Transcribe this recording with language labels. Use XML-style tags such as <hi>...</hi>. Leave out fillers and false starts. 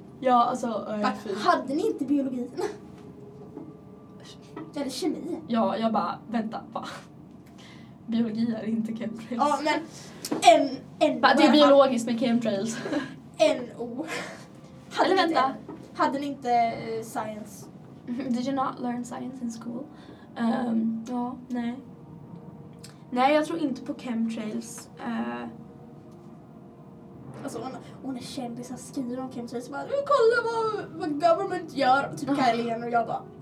<sv>Ja, alltså... Hade ni inte biologin? Eller kemi? Ja, jag bara, vänta, va? Biologi är inte chemtrails. Ja, men... En bara, det är biologiskt med chemtrails. N-O. Eller vänta. Hade ni inte science?</sv> <en>Did you not learn science in school?</en> <sv>Ja, nej. Nej, jag tror inte på chemtrails. Alltså hon är kändis, han skriver om chemtrails och bara, kolla vad government gör, typ Kylian, och jag bara,</sv>